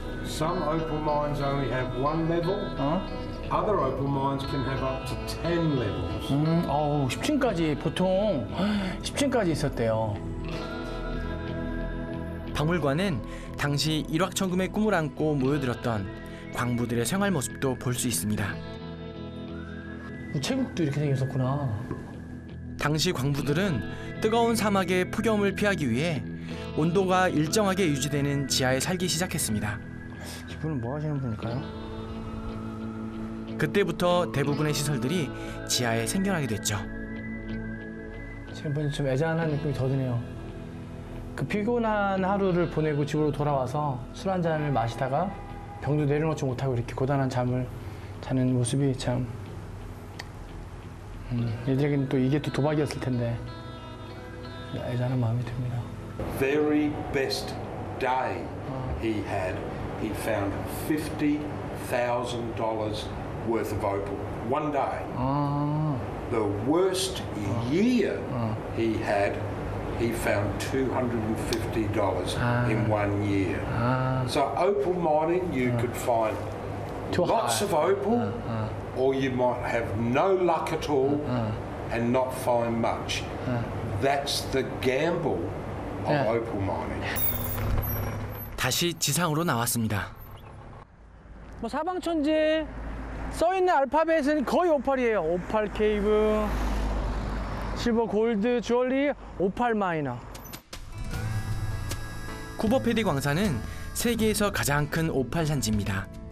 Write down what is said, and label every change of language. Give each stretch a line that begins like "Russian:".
English: Some open mines only have one level. 어? Other open mines can have up to 10 levels.
Korean: 어우, 10층까지 보통 10층까지 있었대요. 박물관은 당시 일확천금의 꿈을 안고 모여들었던 광부들의 생활 모습도 볼 수 있습니다. 체육도 이렇게 생겼었구나. 당시 광부들은 뜨거운 사막의 폭염을 피하기 위해 온도가 일정하게 유지되는 지하에 살기 시작했습니다. 이분은 뭐 하시는 분일까요? 그때부터 대부분의 시설들이 지하에 생겨나게 됐죠. 지금 보니 좀 애잔한 느낌이 더 드네요. 그 피곤한 하루를 보내고 집으로 돌아와서 술 한 잔을 마시다가 병도 내려놓지 못하고 이렇게 고단한 잠을 자는 모습이 참 얘들에게는 또 이게 또 도박이었을 텐데 애잔한 마음이 듭니다.
English: Very best day he had. He found $50,000 worth of opal one day. The worst year he had. He found $250 in 1 year. So opal mining, you could find lots of opal, or you might have no luck at all and not find much. That's the gamble of opal mining.
Korean: 다시 지상으로 나왔습니다. 뭐 사방천지 써 있는 알파벳은 거의 오팔이에요. 오팔 케이브. 실버 골드 주얼리 오팔 마이너. 쿠버페디 광산은 세계에서 가장 큰 오팔 산지입니다.